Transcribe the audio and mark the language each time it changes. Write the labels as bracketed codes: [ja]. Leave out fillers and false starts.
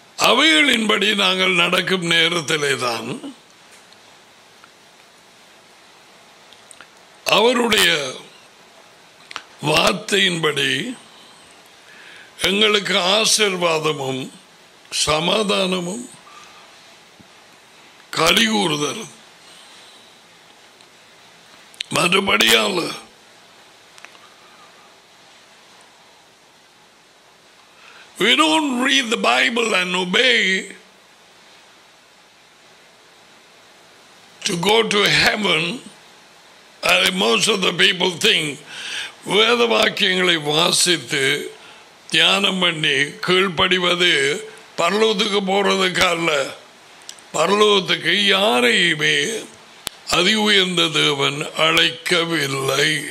[ta] அவைகளின்படி நாங்கள் நடக்கும் நேரத்திலே தான் அவருடைய வார்த்தையின்படி எங்களுக்கு ஆசீர்வாதமும் சமாதானமும் கலிகூறுதல். மறுபடியால் [en] We don't read the Bible and obey to go to heaven, as most of the people think. [ta] வேதவாக்கியங்களை வாசித்து தியானம் பண்ணி கீழ்ப்படிவது பரலோகத்துக்கு போறதுக்கல்ல. பரலோகத்துக்கு யாரையுமே அதி உயர்ந்த தேவன் அழைக்கவில்லை.